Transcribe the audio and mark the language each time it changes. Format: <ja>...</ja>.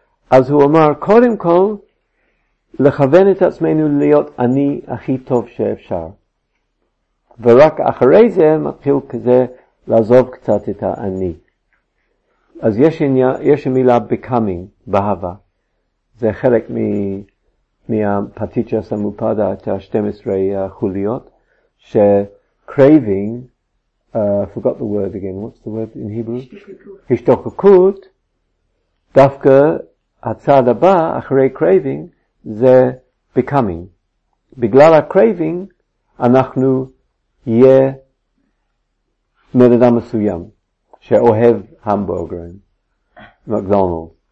<he>אז הוא אמר, קודם כל, לכוון את עצמנו להיות אני הכי טוב שאפשר. ורק אחרי זה מתחיל כזה לעזוב קצת את האני. אז יש מילה becoming, בהווה. זה חלק מהפטיצ'ה סמופדה, את ה-12 חוליות,</he> <en>ש-craving, I forgot the word again, what's the word in Hebrew?</en> <he>השתוקקות, דווקא הצעד הבא אחרי craving זה becoming. בגלל ה-craving אנחנו יהיה מדדה מסוים שאוהב המבורגר, מקדונלד.</he>